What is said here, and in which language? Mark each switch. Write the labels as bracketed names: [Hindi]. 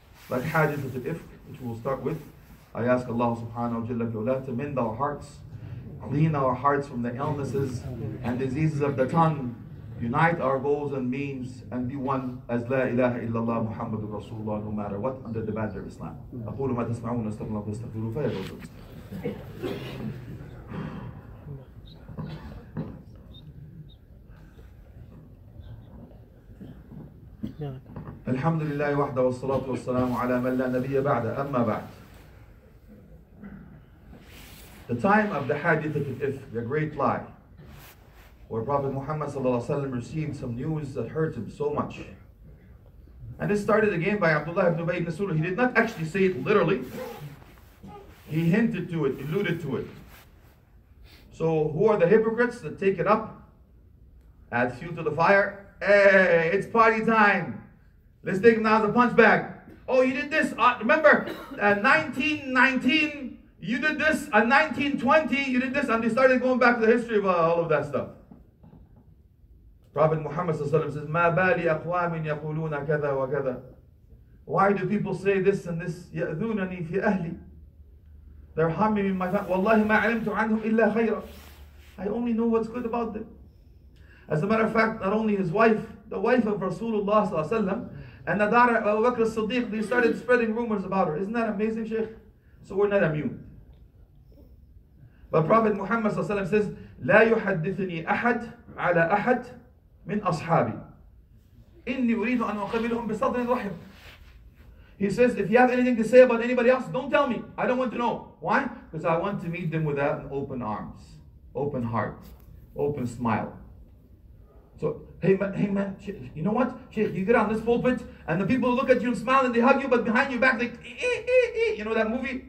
[English] Like Hajjat al-Ifk, which we'll start with. I ask Allah subhanahu wa ta'ala to mend our hearts, clean our hearts from the illnesses and diseases of the tongue, unite our goals and means, and be one as La ilaha illallah Muhammadur Rasulullah, no matter what, under the banner of Islam. [Arabic] أقول ما تسمعون استغفر الله واستغفروه فيا رب. الحمد لله وحده والصلاة والسلام على من لا نبي بعد أما بعد. [English] The time of the hadith of Ifk, the great lie, where Prophet Muhammad sallallahu alaihi wasallam received some news that hurt him so much. And this started again by Abdullah ibn Ubayy ibn Sulul. He did not actually say it literally. He hinted to it, alluded to it. So who are the hypocrites that take it up, add fuel to the fire? Hey, it's party time. Let's take him out of the punch bag. Oh, you did this. Remember, 1919, you did this. In 1920, you did this. And they started going back to the history of all of that stuff. Prophet Muhammad says, [Arabic] مَا بَالِ أَقْوَامٍ يَقُولُونَ كَذَا وَكَذَا. [English] Why do people say this and this? [Arabic] يَأْذُونَنِي فِي أَهْلِي. [English] They're harming me in my family. [Arabic] وَاللَّهِ مَا عَلِمْتُ عَنْهُمْ إِلَّا خَيْرًا. [English] I only know what's good about them. As a matter of fact, not only his wife, the wife of Rasulullah sallallahu and the daughter of Abu Bakr as-Siddiq, they started spreading rumors about her. Isn't that amazing, Shaykh? So we're not immune. But Prophet Muhammad sallallahu says, [Arabic] لَا يُحَدِّثْنِي أَحَدْ عَلَى أَحَدْ مِنْ أَصْحَابِي إِنِّي أُرِيدُ أَنْ أُقَبِلُهُمْ بِصَدْرِ الرَّحِمِ. [English] He says, if you have anything to say about anybody else, don't tell me. I don't want to know. Why? Because I want to meet them with open arms, open heart, open smile. So, hey man, you know what? Sheikh, you get on this pulpit and the people look at you and smile and they hug you, but behind your back, like, you know that movie?